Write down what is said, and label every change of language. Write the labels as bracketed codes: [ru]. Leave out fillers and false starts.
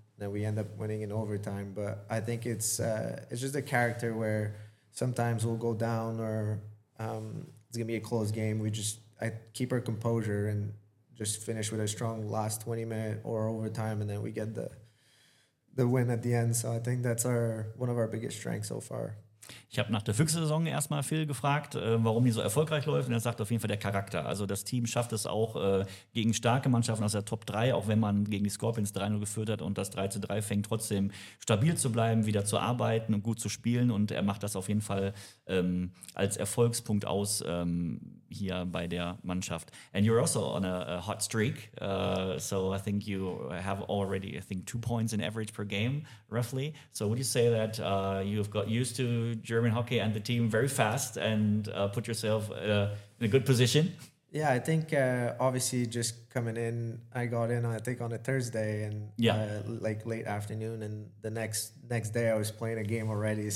[en] and then we end up winning in overtime. But I think it's just a character where sometimes we'll go down or it's going to be a close game. I keep our composure and just finish with a strong last 20 minute or overtime, and then we get the win at the end. So I think that's one of our biggest strengths so far. [de] Ich habe nach der Füchse-Saison erstmal Phil gefragt, warum die so erfolgreich läuft. Und er sagt auf jeden Fall der Charakter. Also das Team schafft es auch gegen starke Mannschaften aus der Top 3, auch wenn man gegen die Scorpions 3-0 geführt hat und das 3-3 fängt, trotzdem stabil zu bleiben, wieder zu arbeiten und gut zu spielen. Und er macht das auf jeden Fall als Erfolgspunkt aus hier bei der Mannschaft. [en] And you're also on a hot streak. So I think you have already, 2 points in average per game, roughly. So would you say that you've got used to German hockey and the team very fast and put yourself in a good position? Yeah, I think obviously just coming in, I got in, I think, on a Thursday and like late afternoon, and the next day I was playing a game already.